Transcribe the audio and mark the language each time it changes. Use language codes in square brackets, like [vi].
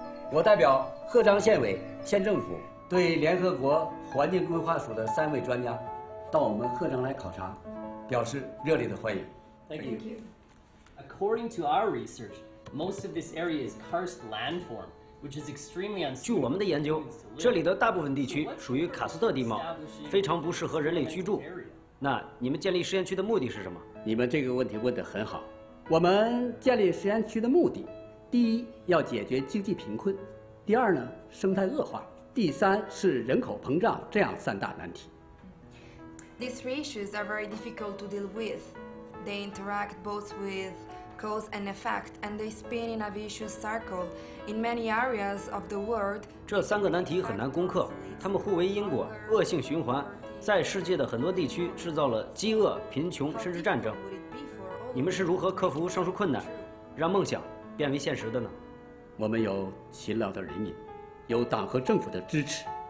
[zh] 我代表贺章县委、县政府对联合国环境规划署的三位专家到我们贺章来考察表示热烈的欢迎。 [en] Thank you. According to our research, most of this area is karst landform, which is extremely unstable. [zh] 据我们的研究，这里的大部分地区属于喀斯特地貌，非常不适合人类居住。那你们建立实验区的目的是什么？你们这个问题问得很好。我们建立实验区的目的，第一，要解决经济贫困；第二呢，生态恶化；第三是人口膨胀，这样三大难题。 [en] These three issues are very difficult to deal with. They interact both with cause and effect, and they spin in a vicious circle in many areas of the world. [zh] 这三个难题很难攻克，它们互为因果，恶性循环，在世界的很多地区制造了饥饿、贫穷，甚至战争。你们是如何克服上述困难，让梦想变为现实的呢？我们有勤劳的人民，有党和政府的支持。